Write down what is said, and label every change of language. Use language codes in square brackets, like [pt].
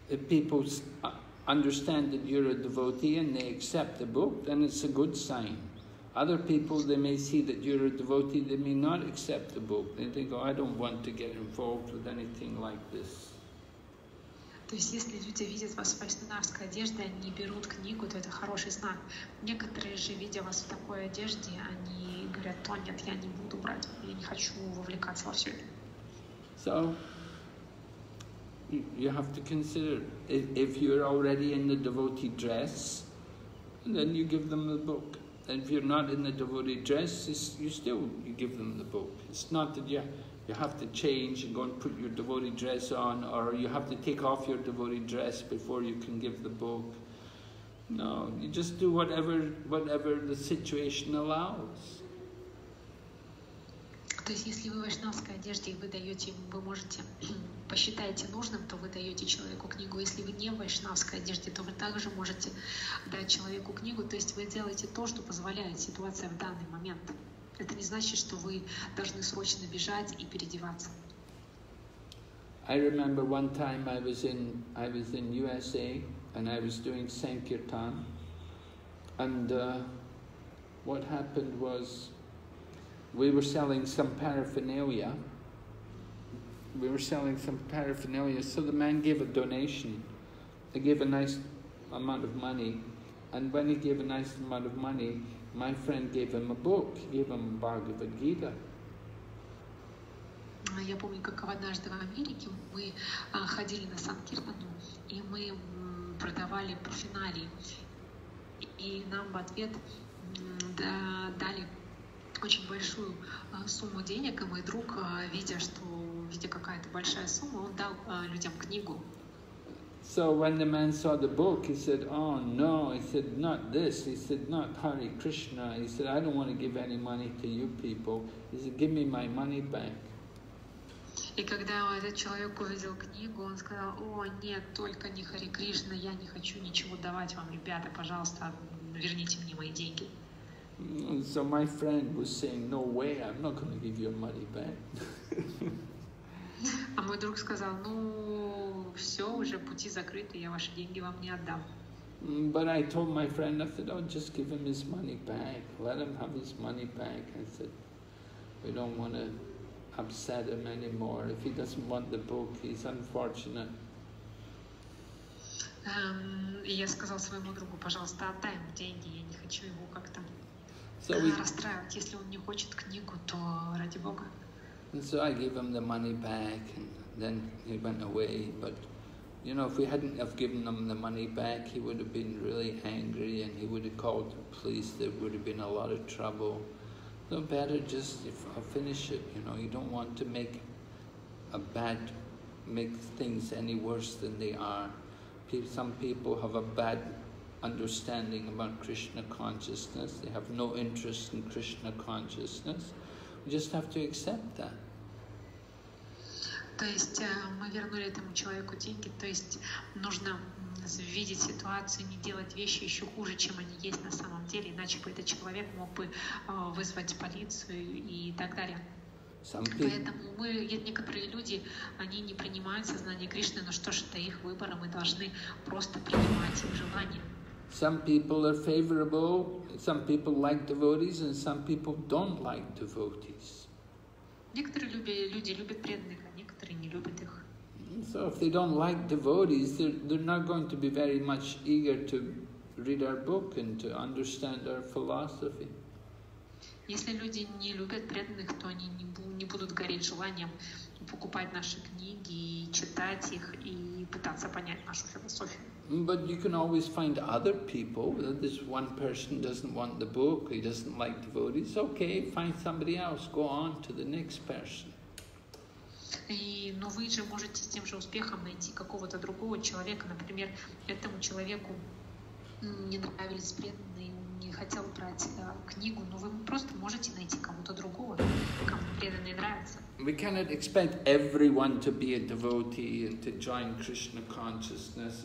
[en] If people understand that you're a devotee and they accept the book, then it's a good sign. Other people, they may see that you're a devotee, they may not accept the book. They think, oh, I don't want to get involved with anything like this. [ru] То есть, если люди видят вас в вайшнавской одежде, они берут книгу, то это хороший знак. Некоторые же, видя вас в такой одежде, они говорят, о, нет, я не буду брать, я не хочу вовлекаться во все это. [en] So, you have to consider, if you're already in the devotee dress, then you give them the book. And if you're not in the devotee dress, you still give them the book. It's not that you have to change and go and put your devotee dress on, or you have to take off your devotee dress before you can give the book. No, you just do whatever the situation allows. [ru] То есть, если вы в вайшнавской одежде и вы даете, вы можете посчитаете нужным, то вы даете человеку книгу. Если вы не в вайшнавской одежде, то вы также можете дать человеку книгу. То есть, вы делаете то, что позволяет ситуация в данный момент. Это не значит, что вы должны срочно бежать и переодеваться. [en] I remember one time I was in USA and I was doing Sankirtan. And what happened was, we were selling some paraphernalia. We were selling some paraphernalia. So the man gave a donation. He gave a nice amount of money. And when he gave a nice amount of money, my friend gave him a book. He gave him Bhagavad Gita. [ru] Я помню, как однажды в Америке мы ходили на Санкиртану, и мы продавали парафиналии. И нам в ответ дали очень большую сумму денег, и мой друг, видя, что виде какая-то большая сумма, он дал людям книгу. [en] So when the man saw the book, he said, "Oh no!" He said, "Not this!" He said, "Not Hare Krishna!" He said, "I don't want to give any money to you people." He said, "Give me my money back." [ru] И когда этот человек увидел книгу, он сказал: "О нет, только не Хари Кришна, я не хочу ничего давать вам, ребята, пожалуйста, верните мне мои деньги." [en] So my friend was saying, "No way! I'm not going to give your money back." [ru] А мой друг сказал: "Ну, все, уже пути закрыты, я ваши деньги вам не отдам." [en] But I told my friend, I said, "Oh, just give him his money back. Let him have his money back." I said, "We don't want to upset him anymore. If he doesn't want the book, he's unfortunate." [ru] И я сказал своему другу: "Пожалуйста, отдай ему деньги, я не хочу его как-то расстраивать. Если он не хочет книгу, то ради Бога." [en] And so I gave him the money back, and then he went away. But, you know, if we hadn't have given him the money back, he would have been really angry, and he would have called the police. There would have been a lot of trouble. So better just finish it, you know. You don't want to make things any worse than they are. Some people have a bad understanding about Krishna consciousness. They have no interest in Krishna consciousness. We just have to accept that. [ru] То есть мы вернули этому человеку деньги, то есть нужно видеть ситуацию, не делать вещи еще хуже, чем они есть на самом деле, иначе бы этот человек мог бы вызвать полицию и так далее. Поэтому некоторые люди, они не принимают сознание Кришны, но что ж, это их выбор, мы должны просто принимать их желание. [en] Some people are favorable, some people like devotees, and some people don't like devotees. [ru] Некоторые люди любят преданных, а некоторые не любят их. [en] So if they don't like devotees, they're not going to be very much eager to read our book and to understand our philosophy. [ru] Если люди не любят преданных, то они не будут гореть желанием покупать наши книги, читать их и пытаться понять нашу философию. [en] But you can always find other people. This one person doesn't want the book, he doesn't like devotees. Okay, find somebody else, go on to the next person. [ru] Но вы же можете с тем же успехом найти какого-то другого человека. Например, этому человеку не нравились преданные, не хотел брать книгу, но вы просто можете найти кого-то другого, кому преданные нравятся. [en] We cannot expect everyone to be a devotee and to join Krishna consciousness.